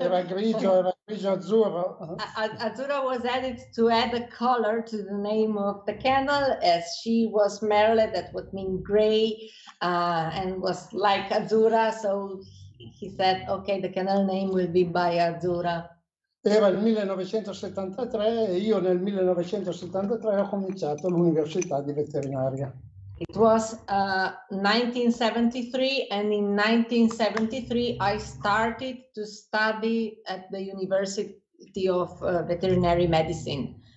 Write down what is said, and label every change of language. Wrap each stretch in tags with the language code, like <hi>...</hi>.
<it>Era grigio, azzurro.</it> <en>Azzurra was added to add a color to the name of the kennel, as she was Merle, that would mean gray, and was like Azzurra, so he said, okay, the kennel name will be Baia Azzurra.</en> <it>Era il 1973 e io nel 1973 ho cominciato l'università di veterinaria.</it> <en>It was 1973, and in 1973 I started to study at the University of Veterinary Medicine.</en>